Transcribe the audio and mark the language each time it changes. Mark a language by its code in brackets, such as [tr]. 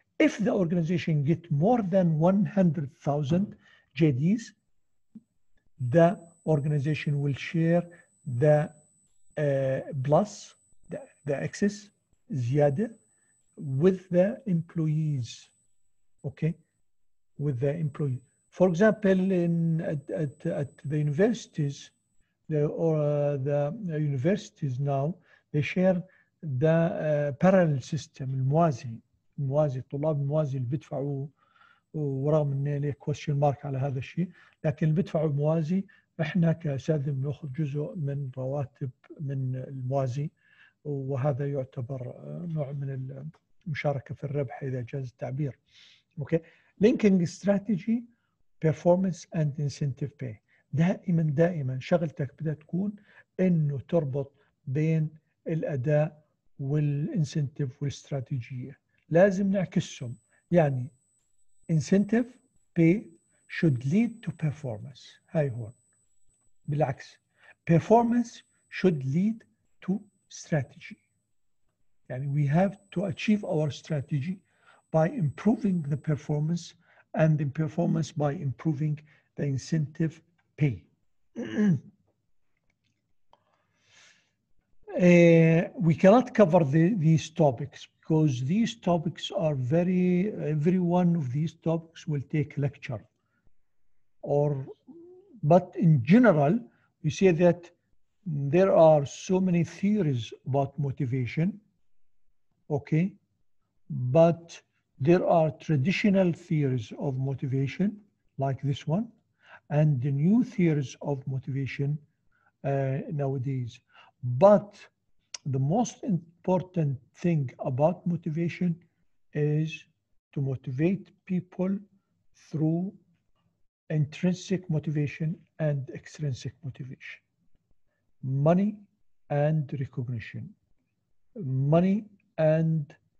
[en] If the organization get more than 100,000 JDs, the organization will share the plus, the excess, [ar] زيادة, [en] with the employees. Okay, with the employee. For example, in at the universities, the universities now they share the parallel system, [ar] الموازي طلاب الموازي اللي بيدفعوا، ورغم إن لي [en] question mark [ar] على هذا الشيء، لكن اللي بيدفعوا الموازي احنا كأساتذة بناخذ جزء من رواتب من الموازي، وهذا يعتبر نوع من المشاركة في الربح إذا جاز التعبير. اوكي، [en] linking strategy performance and incentive pay, [ar] دائما شغلتك بدها تكون انه تربط بين الأداء والانسنتيف والاستراتيجية، لازم نعكسهم، يعني [en] incentive pay should lead to performance, [ar] هاي هون بالعكس، [en] performance should lead to strategy. يعني we have to achieve our strategy by improving the performance and the performance by improving the incentive pay. we cannot cover these topics because these topics are very, every one of these topics will take lecture or but in general, we say that there are so many theories about motivation, okay? But there are traditional theories of motivation like this one and the new theories of motivation nowadays. But the most important thing about motivation is to motivate people through intrinsic motivation and extrinsic motivation, money and recognition, money and